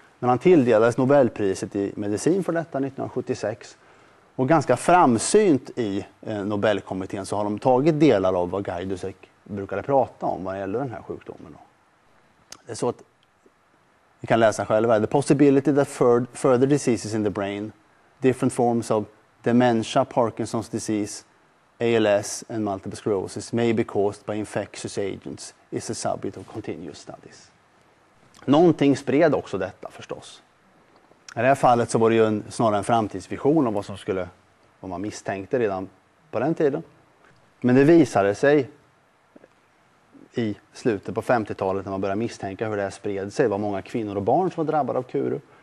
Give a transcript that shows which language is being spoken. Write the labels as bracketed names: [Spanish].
[Swedish] Men han tilldelades Nobelpriset i medicin för detta 1976. Och ganska framsynt i Nobelkommittén så har de tagit delar av vad Gajdusek brukade prata om vad det gäller den här sjukdomen. Det är så att vi kan läsa själva. [English] The possibility that further diseases in the brain, different forms of dementia, Parkinson's disease, ALS and multiple sclerosis may be caused by infectious agents is a subject of continuous studies. [Swedish] Någonting spred också detta förstås. I det här fallet så var det ju snarare en framtidsvision om vad man misstänkte redan på den tiden. Men det visade sig i slutet på 50-talet när man började misstänka hur det här spred sig. Det var många kvinnor och barn som var drabbade av kuru.